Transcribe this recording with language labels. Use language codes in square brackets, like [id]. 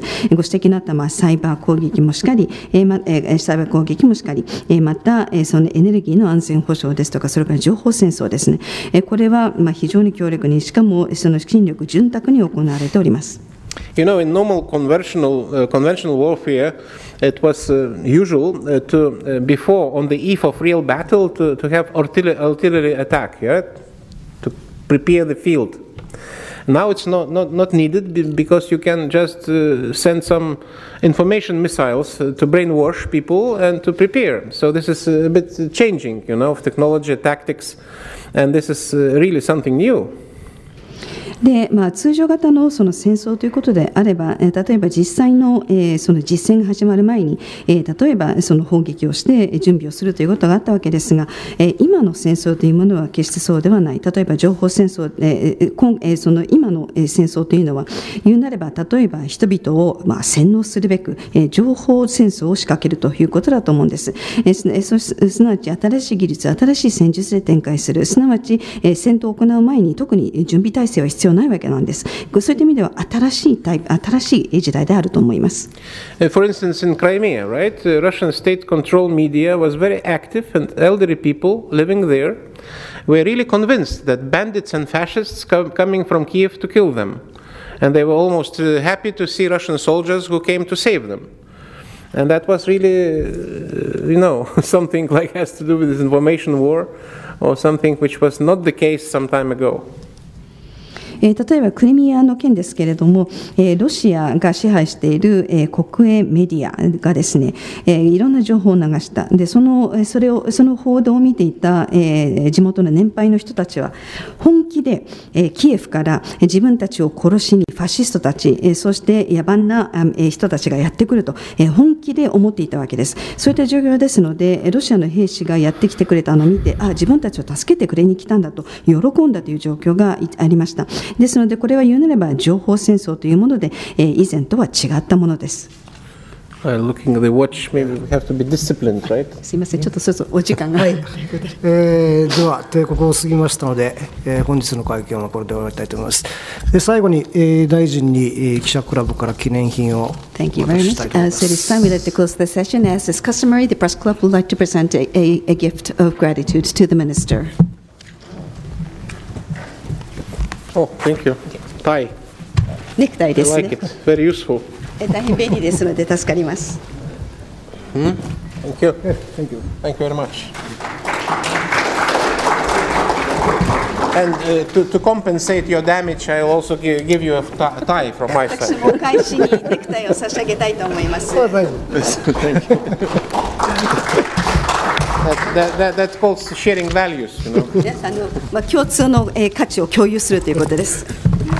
[ja] ご指摘のあったサイバー攻撃もしかり、サイバー攻撃もしかり、またそのエネルギーの安全保障ですとか、それから情報戦争ですね、これは非常に強力に、しかもその侵略潤沢に行われております。 [en] You know, in normal conventional warfare, it was usual to before on the eve of real battle to have artillery attack, right? To prepare the field. Now it's not needed because you can just send some information missiles to brainwash people and to prepare. So this is a bit changing, you know, of technology tactics, and this is really something new. [ja] で、通常型 の、 その戦争ということであれば、例えば実際 の、その実戦が始まる前に、例えばその砲撃をして準備をするということがあったわけですが、今の戦争というものは決してそうではない。例えば情報戦争、その今の戦争というのは言うなれば、例えば人々を洗脳するべく、情報戦争を仕掛けるということだと思うんです。すなわち新しい技術、新しい戦術で展開する、すなわち、戦闘を行う前に特に準備体制は必要ないわけなんです。そういった意味では新しい時代であると思います。 [en] For instance, in Crimea, right? Russian state-controlled media was very active, and elderly people living there were really convinced that bandits and fascists coming from Kiev to kill them, and they were almost happy to see Russian soldiers who came to save them. And that was really, you know, something like has to do with this information war, or something which was not the case some time ago. [ja] 例えばクリミアの件ですけれども、ロシアが支配している国営メディアがですね、いろんな情報を流した。で、その報道を見ていた地元の年配の人たちは本気でキエフから自分たちを殺しにファシストたち、そして野蛮な人たちがやってくると本気で思っていたわけです。そういった状況ですので、ロシアの兵士がやってきてくれたのを見て、あ、自分たちを助けてくれに来たんだと喜んだという状況がありました。ですので、これは言うなれば情報戦争というもので、以前とは違ったものです。 [en] Looking at the watch, maybe we have to be disciplined, right? [ja] すいません、ちょっとそろそろお時間が、はい、では帝国を過ぎましたので、本日の会見はこれで終わりたいと思います。で、最後に、大臣に、記者クラブから記念品を [en] Thank you very much. So it is time we'd like to close the session. As is customary, the press club would like to present a gift of gratitude to the minister. Oh, thank you. Tie. [ja] Necktie ですね。 [en] I like it. Very useful. [ja] 大変便利ですので助かります。 [en] Thank you. Thank you. Thank you very much. And to compensate your damage, I'll also give you a tie from my side. [ja] 私もお返しにネクタイを差し上げたいと思います。 [en] Oh, thank you. That's called sharing values, you know. [ja] 共通の価値を共有するということです。